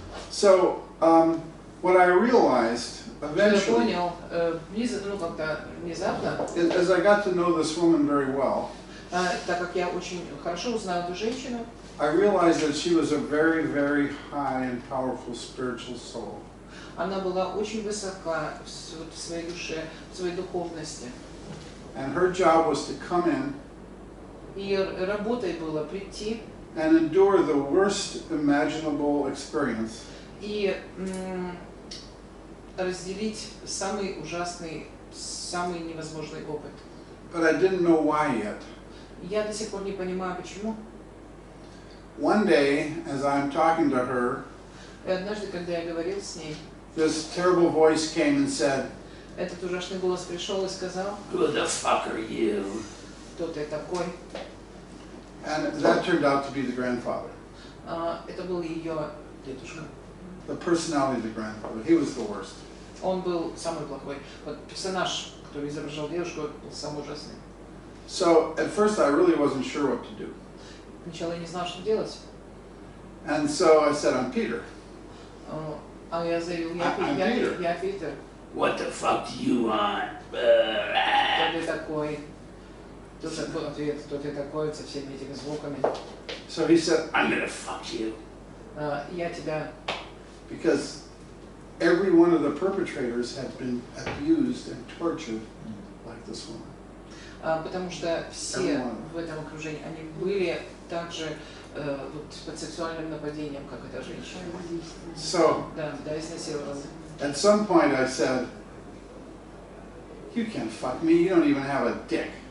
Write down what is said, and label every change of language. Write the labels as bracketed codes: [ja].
[en] So what I realized eventually, as I got to know this woman very well, I realized that she was a very, very high and powerful spiritual soul. [ru] Она была очень высока в своей душе, в своей духовности. [en] And her job was to come in. [ru] Ее работой было прийти [en] and endure the worst imaginable experience. [ru] И разделить самый ужасный, самый невозможный опыт. [en] But I didn't know why yet. [ru] Я до сих пор не понимаю, почему. [en] One day, as I'm talking to her, [ru] и однажды, когда я говорил с ней, [en] this terrible voice came and said, [ru] этот ужасный голос пришел и сказал, [en] who the fuck are you? [ru] Кто ты такой? [en] And that turned out to be the grandfather. [ru] Это был её дедушка. [en] The personality of the grandfather. He was the worst. [ru] Он был самый плохой. Вот персонаж, который изображал девушку, был самый ужасный. [en] So at first I really wasn't sure what to do. [ru] Сначала я не знал, что делать. [en] And so I said, I'm Peter. [ru] А я заявил, я Питер. [en] What the fuck do you want? [ru] Кто ты такой? Тут был ответ, кто ты такой, со всеми этими звуками. [en] So he said, I'm gonna fuck you. [ru] Я тебя. [en] Because every one of the perpetrators had been abused and tortured like this woman. [ru] Потому что все в этом окружении, они были также вот под сексуальным нападением, как эта женщина. [en] So, [ru] да, изнасилована. [en] At some point I said, you can't fuck me, you don't even have a dick.